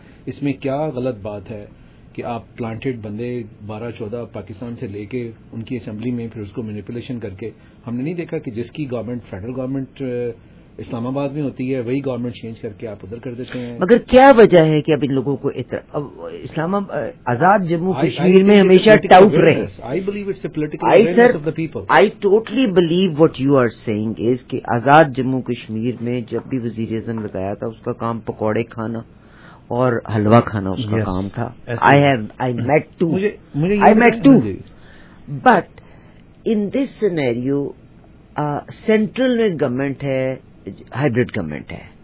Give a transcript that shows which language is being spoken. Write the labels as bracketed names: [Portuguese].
[Urdu] اس میں کیا غلط بات ہے کہ آپ پلانٹڈ بندے 12-14 پاکستان سے لے کے ان کی اسمبلی میں پھر اس کو مینیپولیشن کر کے, ہم نے نہیں دیکھا کہ جس کی گورنمنٹ فیڈرل گورنمنٹ اسلام آباد میں ہوتی ہے وہی گورنمنٹ چینج کر کے آپ ادھر کر دیتے ہیں. مگر کیا وجہ ہے کہ اب ان لوگوں کو اسلام آزاد جموں کشمیر میں ہمیشہ ٹاؤٹ رہے ہیں؟ [English] I believe it's a political awareness of the people. I totally believe what you are seeing is [Urdu] کہ آزاد جموں کشمیر میں جب بھی وزیر اعظم لگایا تھا اس کا کام پکوڑے کھانا اور حلوا کھانا اس کا کام تھا. [English] I meant to but in this scenario [Urdu] central میں گورنمنٹ ہے, ہائبریڈ گورنمنٹ ہے.